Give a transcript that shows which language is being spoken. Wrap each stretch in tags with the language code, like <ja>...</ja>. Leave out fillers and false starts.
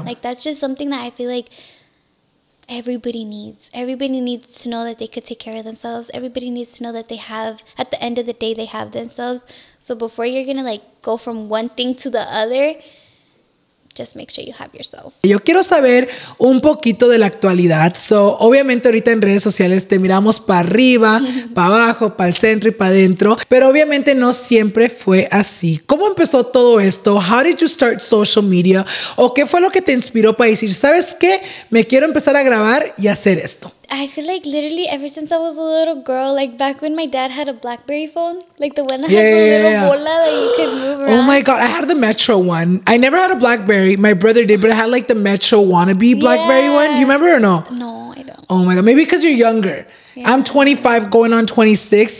<en>Like, that's just something that I feel like everybody needs. Everybody needs to know that they could take care of themselves. Everybody needs to know that they have, at the end of the day, they have themselves. So before you're gonna like go from one thing to the other, just make sure you have yourself.</en> <es>Yo quiero saber un poquito de la actualidad. So obviamente ahorita en redes sociales te miramos para arriba, para abajo, para el centro y para adentro. Pero obviamente no siempre fue así. ¿Cómo empezó todo esto?</es> <en>How did you start social media?</en> <es>¿O qué fue lo que te inspiró para decir, sabes qué? Me quiero empezar a grabar y hacer esto.</es> <en>I feel like literally ever since I was a little girl, like back when my dad had a BlackBerry phone, like the one that had the little bola that you could move around. Oh my God, I had the Metro one. I never had a BlackBerry. My brother did, but I had like the Metro wannabe BlackBerry one. Do you remember or no? No, I don't. Oh my God, maybe because you're younger. Yeah. I'm 25 going on 26.</en>